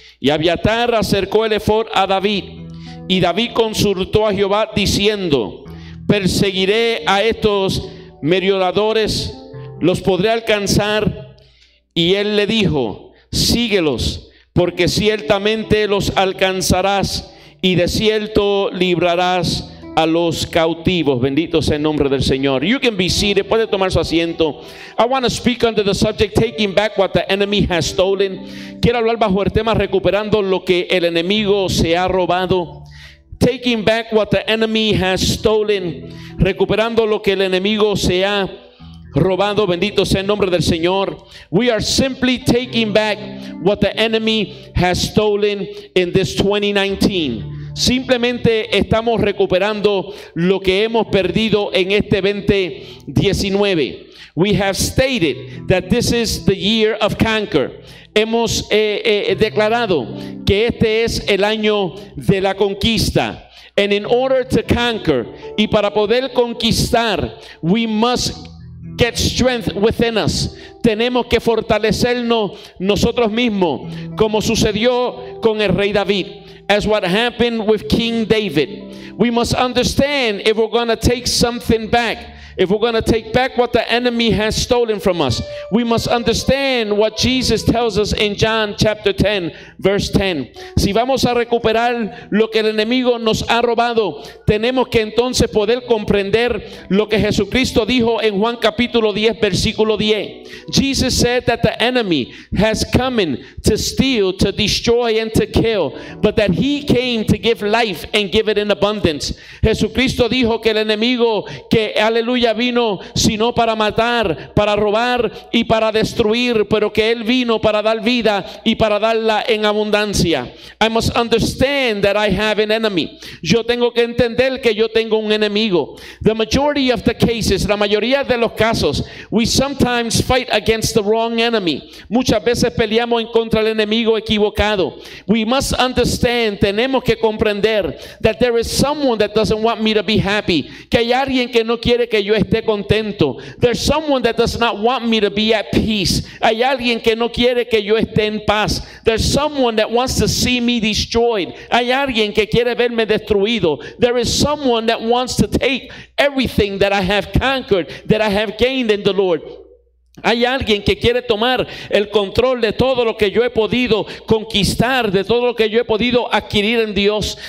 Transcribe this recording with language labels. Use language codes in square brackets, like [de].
[es] Y Abiatar acercó el efod a David. Y David consultó a Jehová diciendo: ¿perseguiré a estos merodeadores? ¿Los podré alcanzar? Y él le dijo: síguelos, porque ciertamente los alcanzarás, y de cierto librarás a los cautivos. Bendito sea el nombre del Señor. [en] You can be seated. [es] Puede tomar su asiento. [en] I want to speak under the subject taking back what the enemy has stolen. [es] Quiero hablar bajo el tema recuperando lo que el enemigo se ha robado. [en] Taking back what the enemy has stolen. [es] Recuperando lo que el enemigo se ha robado. Bendito sea el nombre del Señor. [en] We are simply taking back what the enemy has stolen in this 2019. [es] Simplemente estamos recuperando lo que hemos perdido en este 2019. [en] We have stated that this is the year of conquer. [es] Hemos declarado que este es el año de la conquista. [en] And in order to conquer, [es] y para poder conquistar, [en] we must get strength within us. [es] Tenemos que fortalecernos nosotros mismos, como sucedió con el rey David. [en] As what happened with King David. We must understand if we're going to take something back, if we're going to take back what the enemy has stolen from us, we must understand what Jesus tells us in John chapter 10, verse 10. [es] Si vamos a recuperar lo que el enemigo nos ha robado, tenemos que entonces poder comprender lo que Jesucristo dijo en Juan capítulo 10, versículo 10. [en] Jesus said that the enemy has come in to steal, to destroy, and to kill, but that he came to give life and give it in abundance. [es] Jesucristo dijo que el enemigo, que aleluya, vino sino para matar, para robar y para destruir, pero que él vino para dar vida y para darla en abundancia. [en] I must understand that I have an enemy. [es] Yo tengo que entender que yo tengo un enemigo. [en] The majority of the cases, [es] la mayoría de los casos, [en] we sometimes fight against the wrong enemy. [es] Muchas veces peleamos en contra del enemigo equivocado. [en] We must understand, [es] tenemos que comprender, [en] that there is someone that doesn't want me to be happy. [es] Que hay alguien que no quiere que yo esté contento. [en] There's someone that does not want me to be at peace. [es] Hay alguien que no quiere que yo esté en paz. [en] There's someone that wants to see me destroyed. [es] Hay alguien que quiere verme destruido. [en] There is someone that wants to take everything that I have conquered, that I have gained in the Lord. [es] Hay alguien que quiere tomar el control de todo lo que yo he podido conquistar, de todo lo que yo he podido adquirir en Dios.